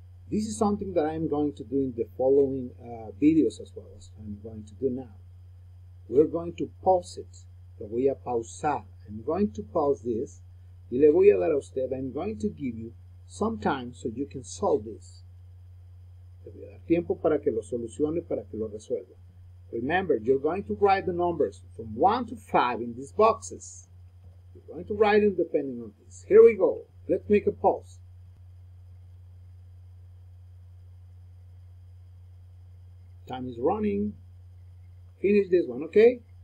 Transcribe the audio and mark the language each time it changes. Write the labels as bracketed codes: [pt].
[en] This is something that I am going to do in the following videos as well as I'm going to do now. We're going to pause it. [es] Lo voy a pausar. [en] I'm going to pause this. [es] Y le voy a dar a usted. [en] I'm going to give you some time so you can solve this. [es] Le voy a dar tiempo para que lo solucione, para que lo resuelva. [en] Remember, you're going to write the numbers from 1 to 5 in these boxes. You're going to write them depending on this. Here we go. Let's make a pause. Time is running. Finish this one, okay?